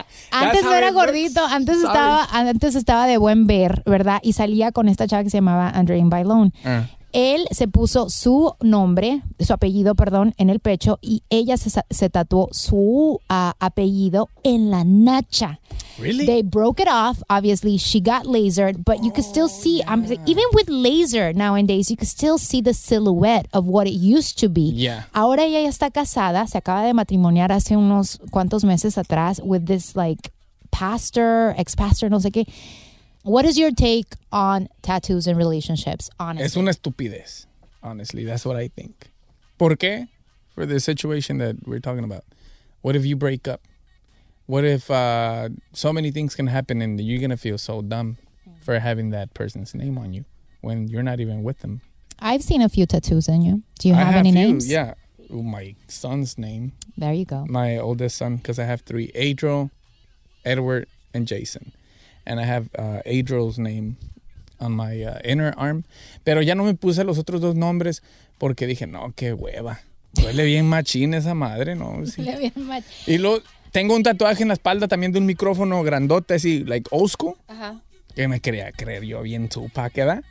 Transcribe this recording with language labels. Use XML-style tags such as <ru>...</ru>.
<es>Antes no era gordito, antes estaba de buen ver, ¿verdad? Y salía con esta chava que se llamaba Andrea Bailón. Él se puso su nombre, su apellido, perdón, en el pecho y ella se tatuó su apellido en la nacha.</es> <en>Really? They broke it off, obviously. She got lasered, but you could still see, yeah. Even with laser nowadays, you could still see the silhouette of what it used to be. Yeah.</en> <es>Ahora ella ya está casada, se acaba de matrimoniar hace unos cuantos meses atrás</es> <en>with this, like,</en> <es>pastor, ex-pastor, no sé qué.</es> <en>What is your take on tattoos and relationships, honestly?</en> <es>Es una estupidez,</es> <en>honestly. That's what I think.</en> <es>¿Por qué?</es> <en>For the situation that we're talking about. What if you break up? What if so many things can happen and you're going to feel so dumb for having that person's name on you when you're not even with them? I've seen a few tattoos in you. Do you have any few, names? Yeah. My son's name. There you go. My oldest son, because I have 3. Adriel, Edward, and Jason. And I have Adriel's name on my inner arm.</en> <es>Pero ya no me puse los otros dos nombres porque dije, no, qué hueva. Duele bien machín esa madre, ¿no? Sí. Duele bien machín. Y luego tengo un tatuaje en la espalda también de un micrófono grandote, así,</es> <en>like, old school.</en> <es>Ajá. Que me quería creer yo bien Tupac, ¿verdad?</es>